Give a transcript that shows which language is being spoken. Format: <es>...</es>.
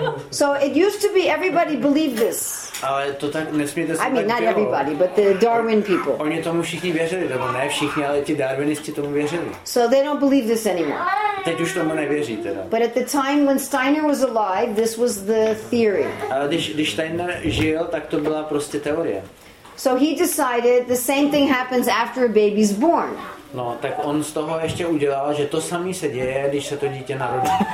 <en>So it used to be everybody believed this.</en> <cs>Ale to tak nesmíte se.</cs> <en>I mean not everybody, but the Darwin people.</en> <cs>Oni tomu všichni věřili, nebo ne všichni, ale ti darwinisti tomu věřili.</cs> <en>So they don't believe this anymore.</en> <cs>Teď už tomu nevěří teda.</cs> <en>But at the time when Steiner was alive, this was the theory.</en> <cs>Ale když Steiner žil, tak to byla prostě teorie.</cs> <en>So he decided the same thing happens after a baby's born.</en> <cs>No, tak on z toho ještě udělal, že to samé se děje, když se to dítě narodí.</cs>